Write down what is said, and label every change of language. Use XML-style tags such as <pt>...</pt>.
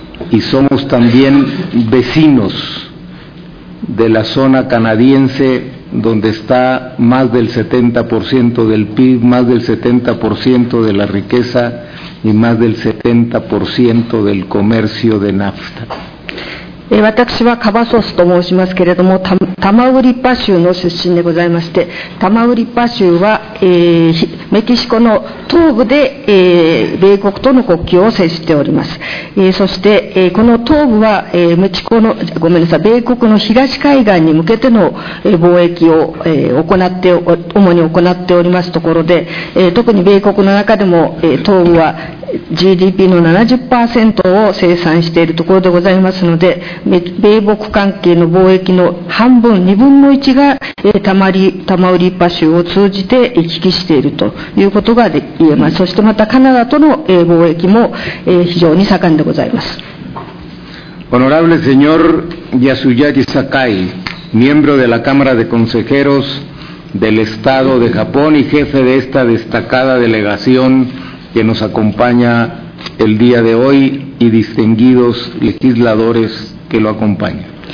<es>y somos también vecinos de la zona canadiense, donde está más del 70% del PIB, más del 70% de la riqueza y más del 70% del comercio de nafta.</es> <ja>私はカバソスと申しますけれども、タマウリパ州の出身でございまして、タマウリパ州は、メキシコの東部で、米国との国境を接しております。そして、この東部は、メキシコの、ごめんなさい、米国の東海岸に向けての、貿易を、行って、主に行っておりますところで、特に米国の中でも、東部はGDP の 70% を生産しているところでございますので、米北関係の貿易の半分、2分の1がタマウリパ州を通じて行き来しているということが言えます。そしてまたカナダとの貿易も非常に盛んでございます。</ja> <es>Honorable señor Yasuyagi Sakai, miembro de la Cámara de Consejeros del Estado de Japón y jefe de esta destacada delegación que nos acompaña el día de hoy, y distinguidos legisladores que lo acompañan.</es>